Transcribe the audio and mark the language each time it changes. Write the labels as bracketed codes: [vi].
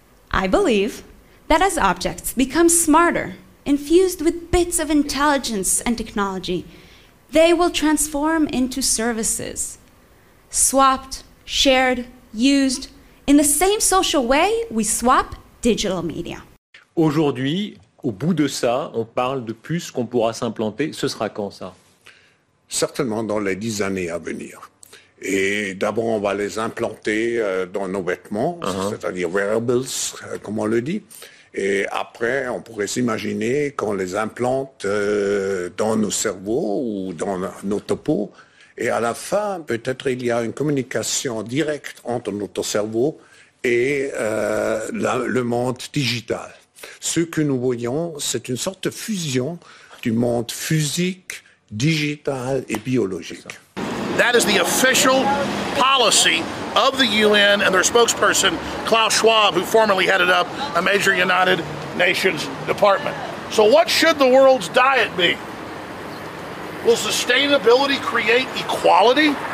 [en] I believe that as objects become smarter, infused with bits of intelligence and technology, they will transform into services, swapped, shared, used in the same social way we swap digital media. [fr] Aujourd'hui, au bout de ça, on parle de puces qu'on pourra s'implanter. Ce sera quand ça? Certainement dans les 10 années à venir. Et d'abord, on va les implanter dans nos vêtements, c'est-à-dire wearables, comme on le dit. Et après, on pourrait s'imaginer qu'on les implante dans nos cerveaux ou dans nos topos. Et à la fin, peut-être il y a une communication directe entre notre cerveau et le monde digital. Ce que nous voyons, c'est une sorte de fusion du monde physique, digital et biologique. [en] That is the official policy of the UN and their spokesperson, Klaus Schwab, who formerly headed up a major United Nations department. So what should the world's diet be? Will sustainability create equality?